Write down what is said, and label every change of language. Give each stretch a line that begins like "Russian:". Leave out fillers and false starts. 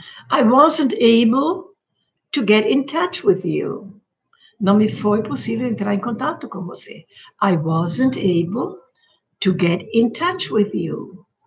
English: I wasn't able to get in touch with you.
Portuguese: Não me foi possível entrar em contato com você.
English: I wasn't able to get in touch with you.